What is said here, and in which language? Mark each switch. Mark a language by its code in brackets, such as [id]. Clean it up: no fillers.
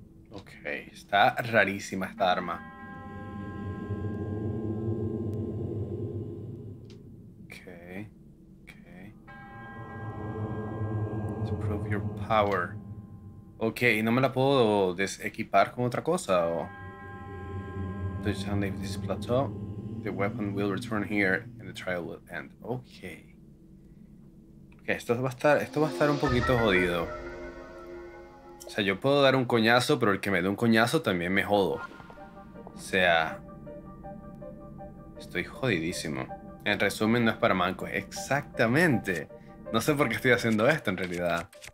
[es] Ok, está rarísima esta arma. Ok. Ok. [en] To prove your power. [es] Ok, ¿y no me la puedo desequipar con otra cosa o...? [en] Leave this plateau, the weapon will return here and the trial will end. Okay. [es] Okay, esto va a estar un poquito jodido. O sea, yo puedo dar un coñazo, pero el que me dé un coñazo también me jodo. O sea, estoy jodidísimo. En resumen, no es para mancos. Exactamente. No sé por qué estoy haciendo esto en realidad.